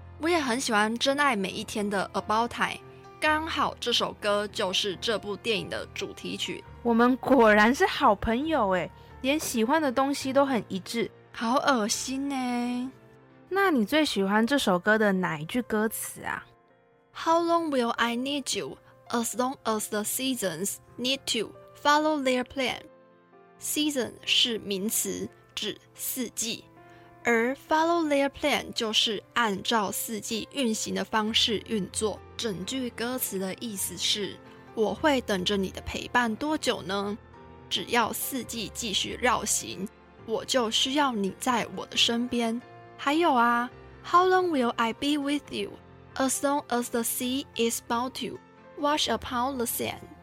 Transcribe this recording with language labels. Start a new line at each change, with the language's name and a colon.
Chinese: 我也很喜欢真爱每一天的 About Time， 刚好这首歌就是这部电影的主题曲。我们果然是好朋友耶，连喜欢的东西都很一致。好恶心耶。那你最喜欢这首歌的哪一句歌词啊？
English: How long will I need you? As long as the seasons need to follow their plan.
Chinese: Season 是名词，指四季，而
English: follow their plan
Chinese: 就是按照四季运行的方式运作。整句歌词的意思是，我会等着你的陪伴多久呢？只要四季继续绕行，我就需要你在我的身边。还有啊，
English: How long will I be with you? As long as the sea is bound to wash upon the sand.